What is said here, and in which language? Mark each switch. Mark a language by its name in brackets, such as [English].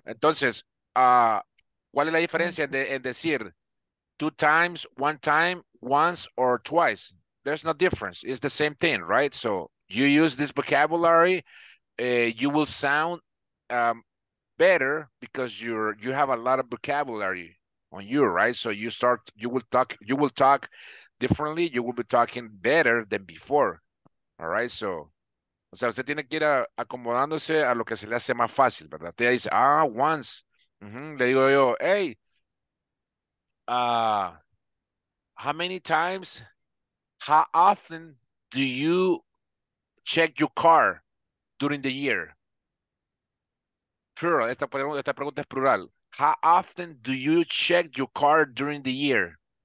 [Spanish] Entonces, ¿cuál es la diferencia en decir [English] two times, one time, once, or twice? There's no difference. It's the same thing, right? So you use this vocabulary, you will sound better because you have a lot of vocabulary on you, right? So you will talk differently, you will be talking better than before, all right? [Spanish] So, o sea, usted tiene que ir acomodándose a lo que se le hace más fácil, ¿verdad? Usted dice, ah, once. Mm-hmm. Le digo yo, [English] hey, how many times, how often do you check your car during the year? [Spanish] Plural, esta pregunta es plural. [English] How often do you check your car during the year?